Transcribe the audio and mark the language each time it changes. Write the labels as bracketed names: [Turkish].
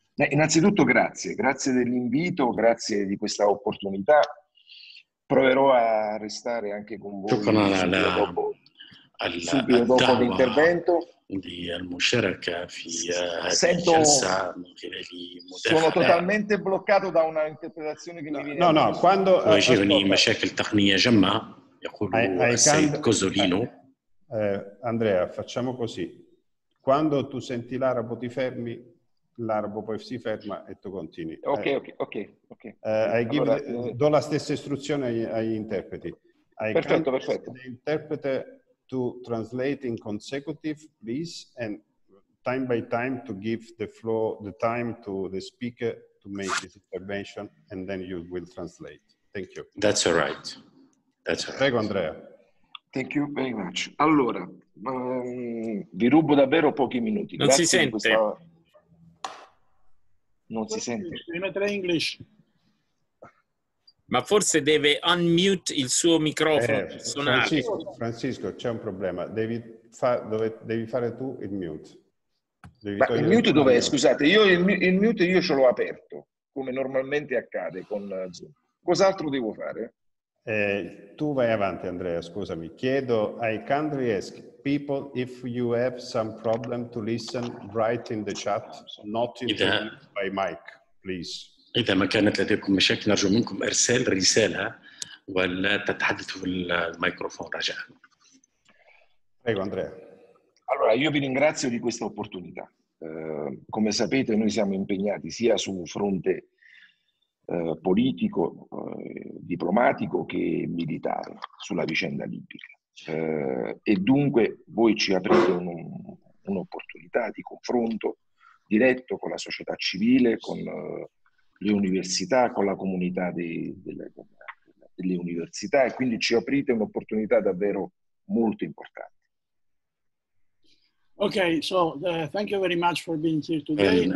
[Italian] Innanzitutto grazie dell'invito, grazie di questa opportunità. Proverò a restare anche con voi subito dopo l'intervento. Di al-musharaka fi sento sono totalmente bloccato da una interpretazione che no, quando [Arabic] يجيني مشاكل تقنيه جمع يقول السيد كوزولينو [Italian] Andrea, facciamo così. Quando tu senti l'arabo ti fermi, l'arabo poi si ferma e tu continui. Ok. Do la stessa istruzione agli interpreti. Perfetto. [English] The interpreter to translate in consecutive, please, and time by time to give the floor, the time to the speaker to make his intervention, and then you will translate. Thank you. That's all right. [Italian] Prego, Andrea. [English] Thank you very much. [Italian] Allora, vi rubo davvero pochi minuti. Non grazie si sente. Questa... Non si sente. [English] In English. [Italian] Ma forse deve unmute il suo microfono personale. Francisco, c'è un problema. Devi fare tu il mute. Il mute dov'è? Scusate, io il mute io ce l'ho aperto, come normalmente accade con Zoom. Cos'altro devo fare? Tu vai avanti, Andrea, scusami. Chiedo ai [English] country ask people if you have some problem to listen right in the chat, not in the by mic, please. [Arabic] إذا ما كانت لديكم مشاكل نرجو منكم إرسال رسالة ولا تتحدثوا بالميكروفون رجاء. [Italian] Prego, Andrea. Allora, io vi ringrazio di questa opportunità. Come sapete, noi siamo impegnati sia su un fronte politico, diplomatico che militare sulla vicenda libica. E dunque voi ci aprite un'opportunità di confronto diretto con la società civile, con le università, con la comunità delle università, e quindi ci aprite un'opportunità davvero molto importante. [English] Ok, so thank you very much for being here today.